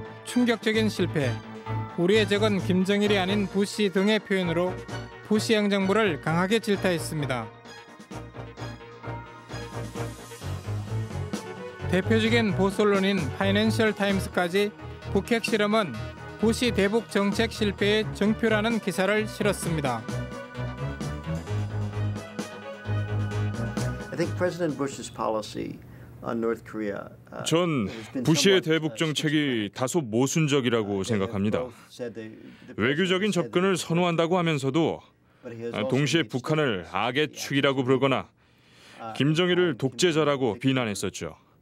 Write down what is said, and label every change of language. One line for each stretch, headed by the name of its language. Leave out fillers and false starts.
Korean: 충격적인 실패, 우리의 적은 김정일이 아닌 부시 등의 표현으로 부시 행정부를 강하게 질타했습니다. 대표적인 보수 언론인 파이낸셜 타임스까지 북핵 실험은 부시 대북 정책 실패의 증표라는 기사를 실었습니다.
English: I think President Bush's policy on North Korea.
Korean: 전 부시의 대북 정책이 다소 모순적이라고 생각합니다. 외교적인 접근을 선호한다고 하면서도 동시에 북한을 악의 축이라고 부르거나 김정일을 독재자라고 비난했었죠.